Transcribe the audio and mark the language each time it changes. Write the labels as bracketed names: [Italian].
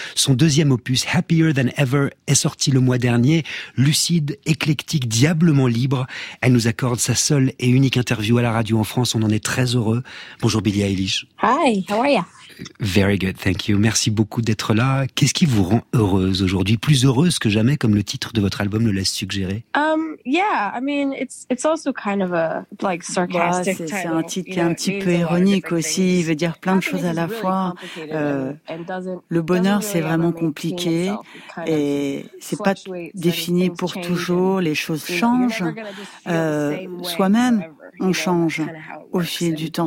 [French] Son deuxième opus, Happier Than Ever, est sorti le mois dernier, lucide, éclectique, diablement libre. Elle nous accorde sa seule et unique interview à la radio en France, on en est très heureux. Bonjour Billie Eilish. [English] Hi, how are you? Very good, thank you. [French] Merci beaucoup d'être là. Qu'est-ce qui vous rend heureuse aujourd'hui? Plus heureuse que jamais, comme le titre de votre album le laisse suggérer? [English] It's also kind of a like sarcastic title. [French] C'est un titre qui est un petit peu ironique aussi. Il veut dire plein de choses à la fois. Le bonheur, c'est vraiment compliqué et c'est pas défini pour toujours. Les choses changent. Soi-même, on change au fil du temps.